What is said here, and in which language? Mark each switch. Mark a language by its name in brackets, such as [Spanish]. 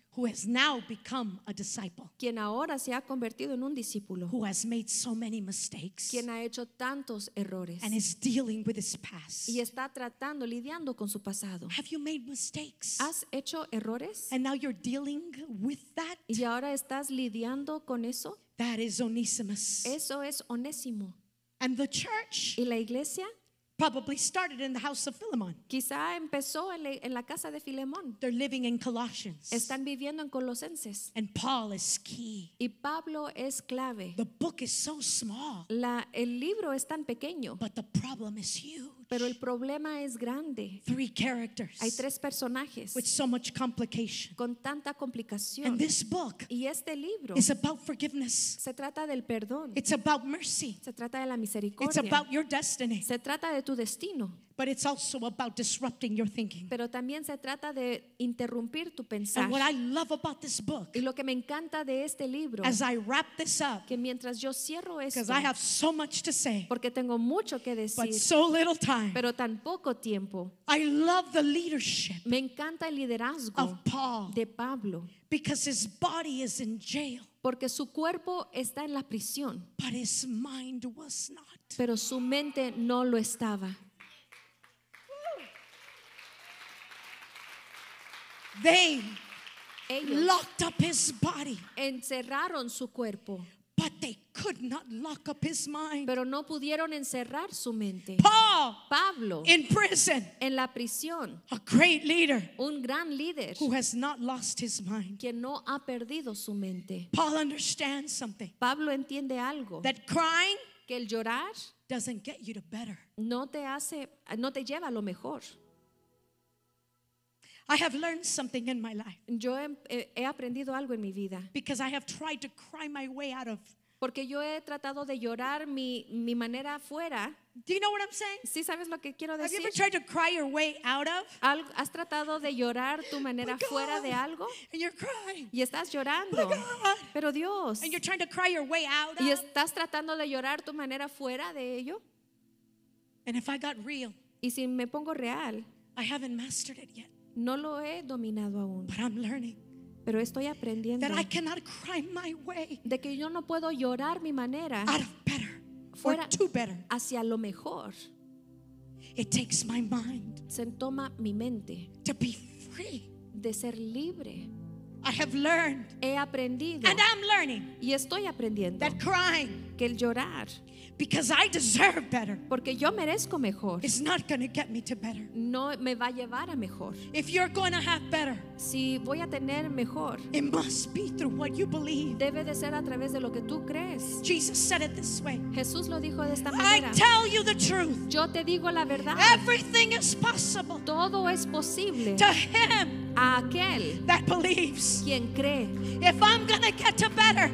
[English] Who has now become a disciple. [Spanish] Quien ahora se ha convertido en un discípulo. [English] Who has made so many mistakes. [Spanish] Quien ha hecho tantos errores. [English] And is dealing with his past. [Spanish] Y está tratando, lidiando con su pasado. [English] Have you made mistakes? [Spanish] ¿Has hecho errores? [English] And now you're dealing with that? [Spanish] Y ahora estás lidiando con eso? [English] That is Onesimus. [Spanish] Eso es Onésimo. [English] And the church? [Spanish] ¿Y la iglesia? [English] Probably started in the house of Philemon. [Spanish] Quizá empezó en la casa de Filemón. [English] They're living in Colossians. [Spanish] Están viviendo en Colosenses. [English] And Paul is key. [Spanish] Y Pablo es clave. [English] The book is so small. [Spanish] El libro es tan pequeño. [English] But the problem is huge. [Spanish] Pero el problema es grande. [English] Three characters. [Spanish] Hay tres personajes. [English] With so much complication. [Spanish] Con tanta complicación. [English] And this book. [Spanish] Y este libro. [English] Is about forgiveness. [Spanish] Se trata del perdón. [English] It's about mercy. [Spanish] Se trata de la misericordia. [English] It's about your destiny. [Spanish] Se trata de tu destino. [English] But it's also about disrupting your thinking. [Spanish] Pero también se trata de interrumpir tu pensar. [English] And what I love about this book, [Spanish] y lo que me encanta de este libro, [English] as I wrap this up, [Spanish] que mientras yo cierro esto, [English] because I have so much to say, [Spanish] porque tengo mucho que decir, [English] but so little time, [Spanish] pero tan poco tiempo. [English] I love the leadership, [Spanish] me encanta el liderazgo [English] of Paul, [Spanish] de Pablo, [English] because his body is in jail, [Spanish] porque su cuerpo está en la prisión, [English] but his mind was not, [Spanish] pero su mente no lo estaba. [English] They locked up his body. [Spanish] Encerraron su cuerpo. [English] But they could not lock up his mind. [Spanish] Pero no pudieron encerrar su mente. [English] Paul, [Spanish] Pablo, [English] in prison, [Spanish] en la prisión, [English] a great leader, [Spanish] un gran líder, [English] who has not lost his mind, [Spanish] quien no ha perdido su mente. [English] Paul understands something. [Spanish] Pablo entiende algo. [English] That crying, [Spanish] que el llorar, [English] doesn't get you to better. [Spanish] No te hace, no te lleva a lo mejor. [English] I have learned something in my life. [Spanish] Yo he aprendido algo en mi vida. [English] Because I have tried to cry my way out of. [Spanish] Porque yo he tratado de llorar mi manera fuera. [English] Do you know what I'm saying? [Spanish] ¿Sí sabes lo que quiero decir? [English] Have you ever tried to cry your way out of? [Spanish] ¿Has tratado de llorar tu manera [English] God, [Spanish] fuera de algo? [English] And you're crying. [Spanish] Y estás llorando. Pero Dios. [English] And you're trying to cry your way out of. [Spanish] Y estás tratando de llorar tu manera fuera de ello. [English] And if I got real. [Spanish] Y si me pongo real. [English] I haven't mastered it yet. [Spanish] No lo he dominado aún. [English] But I'm learning. [Spanish] Pero estoy aprendiendo. [English] That I cannot cry my way. [Spanish] De que yo no puedo llorar mi manera. [English] Out of better. [Spanish] Fuera [English] or too better. [Spanish] Hacia lo mejor. [English] It takes my mind. [Spanish] Se toma mi mente. [English] To be free. [Spanish] De ser libre. [English] I have learned. [Spanish] He aprendido. [English] And I'm learning. [Spanish] Y estoy aprendiendo. [English] That crying. [Spanish] Que el llorar. [English] Because I deserve better. [Spanish] Porque yo merezco mejor. [English] It's not going to get me to better. [Spanish] No me va a llevar a mejor. [English] If you're going to have better. [Spanish] Si voy a tener mejor. [English] It must be through what you believe. [Spanish] Debe de ser a través de lo que tú crees. [English] Jesus said it this way. [Spanish] Jesús lo dijo de esta manera. [English] I tell you the truth. [Spanish] Yo te digo la verdad. [English] Everything is possible. [Spanish] Todo es posible. [English] To him. [Spanish] A aquel. [English] That believes. [Spanish] Quien cree. [English] If I'm going to get to better.